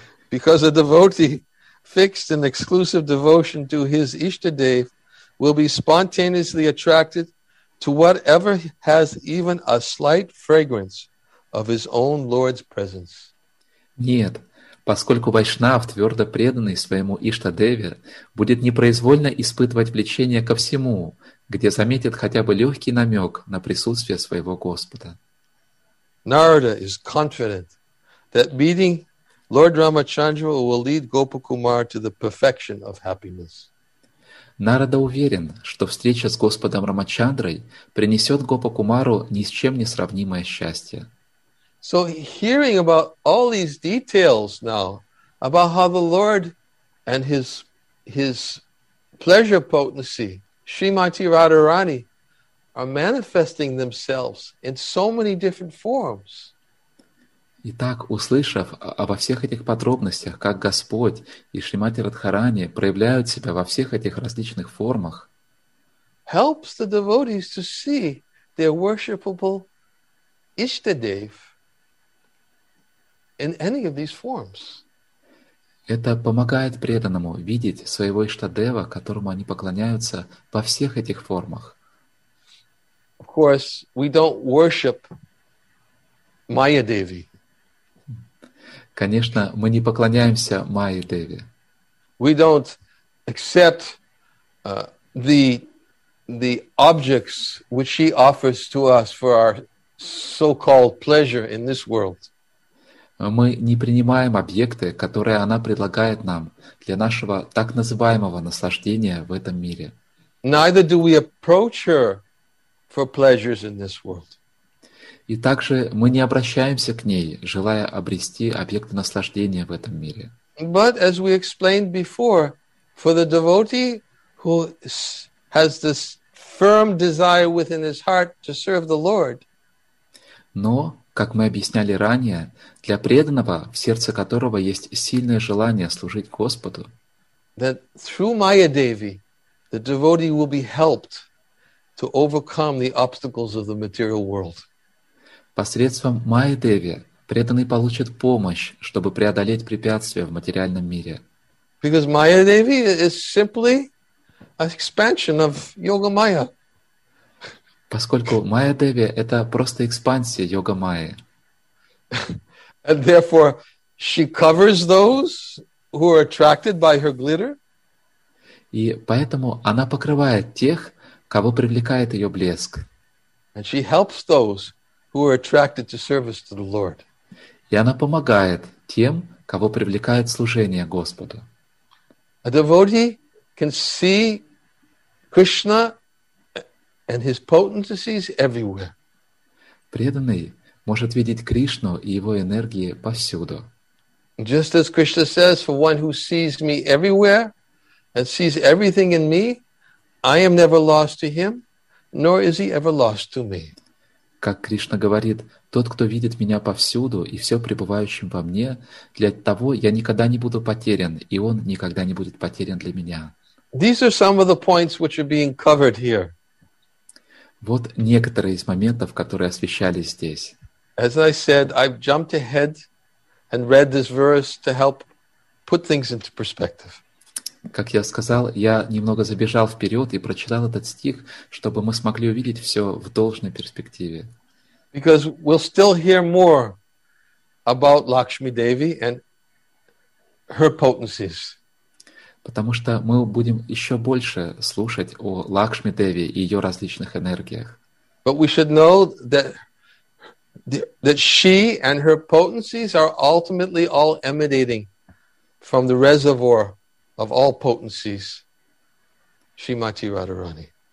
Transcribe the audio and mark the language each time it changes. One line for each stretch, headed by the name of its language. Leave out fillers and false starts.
English: Because a devotee fixed in exclusive devotion to his Ishtadev will be spontaneously attracted to whatever has even a slight fragrance of his own Lord's presence.
Russian: Нет, поскольку вайшнав, твердо преданный своему Иштадеве, будет непроизвольно испытывать влечение ко всему, где заметит хотя бы легкий намек на присутствие своего Господа.
English: Narada is confident that meeting Lord Ramachandra will lead Gopa Kumar to the perfection of happiness.
Russian: Нарада уверен, что встреча с Господом Рамачандрой принесет Гопа Кумару ни с чем не сравнимое счастье.
English: So hearing about all these details now, about how the Lord and his pleasure potency, Srimati Radharani, are manifesting themselves in so many different forms.
Russian: Итак, услышав обо всех этих подробностях, как Господь и Шримати Радхарани проявляют себя во всех этих различных формах,
English: helps the devotees to see their worshipable Ishtadev in any of these forms.
Russian: Это помогает преданному видеть своего Иштадева, которому они поклоняются во всех этих формах.
English: Of course, we don't worship Maya Devi.
Russian: Конечно, мы не поклоняемся Майе Деви.
English: We don't accept the objects which she offers to us for our so-called pleasure in this world.
Russian: Мы не принимаем объекты, которые она предлагает нам для нашего так называемого наслаждения в этом мире.
English: Neither do we approach her for pleasures in this world.
Russian: И также мы не обращаемся к ней, желая обрести объекты наслаждения в этом мире.
English: But as we explained before, for the devotee who has this firm desire within his heart to serve the Lord.
Russian: Но как мы объясняли ранее, для преданного, в сердце которого есть сильное желание служить Господу,
English: that through Maya Devi, the devotee will be helped to overcome the obstacles of the material world.
Russian: Посредством Майи Деви преданный получит помощь, чтобы преодолеть препятствия в материальном мире.
English: Because Maya Devi is simply an expansion of Yoga Maya.
Russian: Поскольку Майя Деви — это просто экспансия Йога Майи.
English: And therefore, she covers those who are attracted by her glitter.
Russian: И поэтому она покрывает тех, кого привлекает ее блеск.
English: And she helps those who are attracted to service to the Lord.
Russian: И она помогает тем, кого привлекает служение Господу.
English: A devotee can see Krishna and his potencies everywhere.
Russian: Преданный может видеть Кришну и его энергии повсюду.
English: Just as Krishna says, for one who sees me everywhere and sees everything in me, I am never lost to him, nor is he ever lost to me.
Russian: Как Кришна говорит, тот, кто видит меня повсюду и все пребывающим во мне, для того я никогда не буду потерян, и он никогда не будет потерян для меня.
English: These are some of the points which are being covered here.
Russian: Вот некоторые из моментов, которые освещались здесь.
English: As I said, I've jumped ahead and read this verse to help put things into perspective.
Russian: Как я сказал, я немного забежал вперед и прочитал этот стих, чтобы мы смогли увидеть все в должной перспективе.
English: Because we'll still hear more about Lakshmi Devi and her potencies.
Russian: Потому что мы будем еще больше слушать о Лакшми Деви и ее различных энергиях.
English: But we should know that she and her potencies are ultimately all emanating from the reservoir of all potencies, Shrimati Radharani.